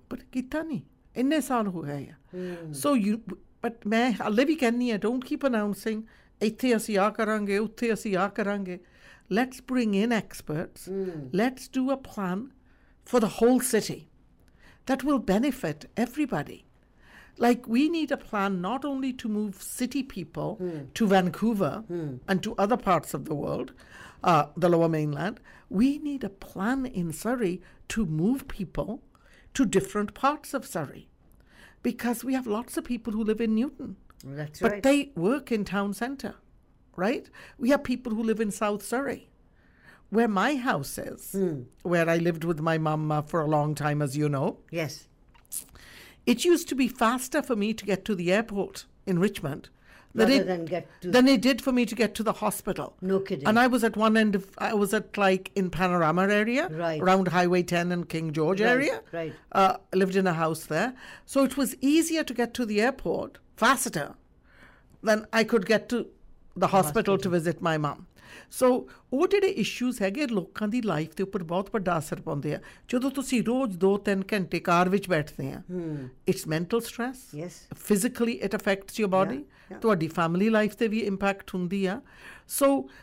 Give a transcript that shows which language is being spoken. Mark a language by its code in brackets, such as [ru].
[pa] ਪਰ ਕੀਤਾ ਨਹੀਂ, ਇੰਨੇ ਸਾਲ ਹੋ ਗਏ ਆ। [en] so you, but [pa] ਮੈਂ ਹਾਲੇ ਵੀ ਕਹਿੰਦੀ ਹਾਂ, [en] don't keep announcing [pa] ਇੱਥੇ ਅਸੀਂ ਆਹ ਕਰਾਂਗੇ, [en] ਉੱਥੇ ਅਸੀਂ ਆਹ ਕਰਾਂਗੇ, let's bring in experts, let's do a plan for the whole city that will benefit everybody. Like, we need a plan not only to move city people to Vancouver and to other parts of the world, the Lower Mainland. We need a plan in Surrey to move people to different parts of Surrey. Because we have lots of people who live in Newton. That's but right. They work in town centre, right? We have people who live in South Surrey. Where my house is, where I lived with my mum for a long time, as you know. Yes. It used to be faster for me to get to the airport in Richmond than it did for me to get to the hospital. No kidding. And I was at one end of, I was at like in Panorama area, right, around Highway 10 and King George, right, area. Right. I lived in a house there. So it was easier to get to the airport, faster, than I could get to the hospital to visit my mom. [pa] ਸੋ ਉਹ ਜਿਹੜੇ issues ਹੈਗੇ ਲੋਕਾਂ ਦੀ life ਦੇ ਉੱਪਰ ਬਹੁਤ ਵੱਡਾ ਅਸਰ ਪਾਉਂਦੇ ਆ ਜਦੋਂ ਤੁਸੀਂ ਰੋਜ਼ 2-3 ਘੰਟੇ ਕਾਰ ਵਿੱਚ ਬੈਠਦੇ ਆ [en] it's mental stress physically it affects your body [pa] ਤੁਹਾਡੀ ਫੈਮਿਲੀ ਲਾਈਫ 'ਤੇ ਵੀ ਇੰਪੈਕਟ ਹੁੰਦੀ ਆ ਸੋ